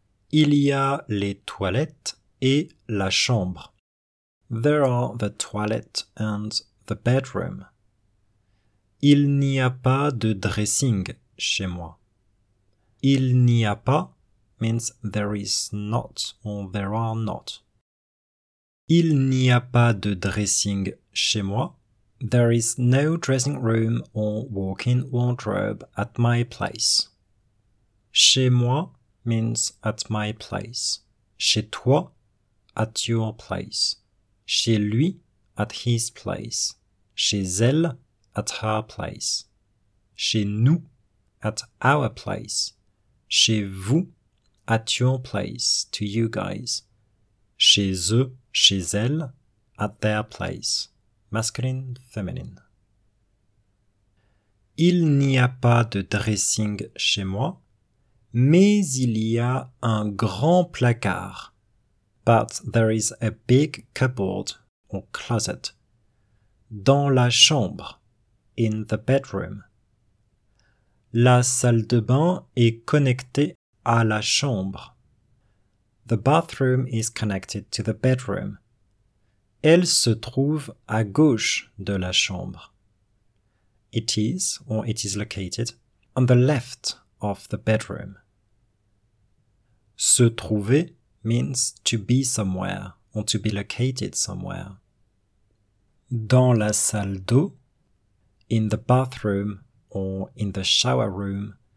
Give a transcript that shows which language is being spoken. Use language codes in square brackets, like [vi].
[fr] il y a les toilettes et la chambre. [en] There are the toilet and the bedroom. [fr] Il n'y a pas de dressing chez moi. Il n'y a pas [en] means there is not or there are not. [fr] Il n'y a pas de dressing chez moi. [en] There is no dressing room or walk-in wardrobe at my place. [fr] Chez moi [en] means at my place. [fr] Chez toi, [en] at your place. [fr] Chez lui, [en] at his place. [fr] Chez elle, [en] at her place. [fr] Chez nous, [en] at our place. [fr] Chez vous, [en] at your place, to you guys. [fr] Chez eux, chez elle, [en] at their place. Masculine, feminine. [fr] Il n'y a pas de dressing chez moi, mais il y a un grand placard. [en] But there is a big cupboard or closet [fr] dans la chambre, [en] in the bedroom. [fr] La salle de bain est connectée à la chambre. [en] The bathroom is connected to the bedroom. [fr] Elle se trouve à gauche de la chambre. [en] It is, or it is located, on the left of the bedroom. Se trouver means to be somewhere or to be located somewhere. [fr] Dans la salle d'eau, [en] in the bathroom or in the shower room,